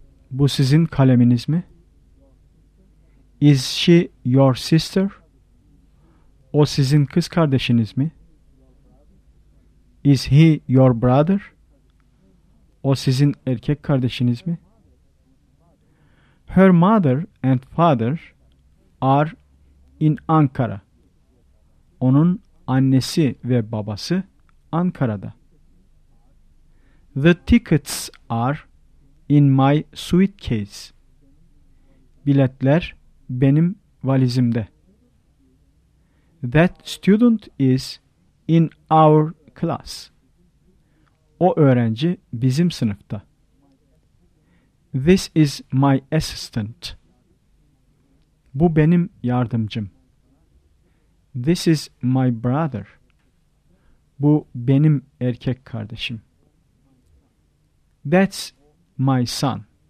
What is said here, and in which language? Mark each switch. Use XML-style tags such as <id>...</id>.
<tr>Bu sizin kaleminiz mi?</tr> <en>Is she your sister?</en> <tr>O sizin kız kardeşiniz mi?</tr> <en>Is he your brother?</en> <tr>O sizin erkek kardeşiniz mi?</tr> <en>Her mother and father are in Ankara.</en> <tr>Onun annesi ve babası Ankara'da.</tr> <en>The tickets are in my suitcase.</en> <tr>Biletler benim valizimde.</tr> <en>That student is in our class.</en> <tr>O öğrenci bizim sınıfta.</tr> <en>This is my assistant.</en> <tr>Bu benim yardımcım.</tr> <en>This is my brother.</en> <tr>Bu benim erkek kardeşim.</tr> <en>That's my son.</en>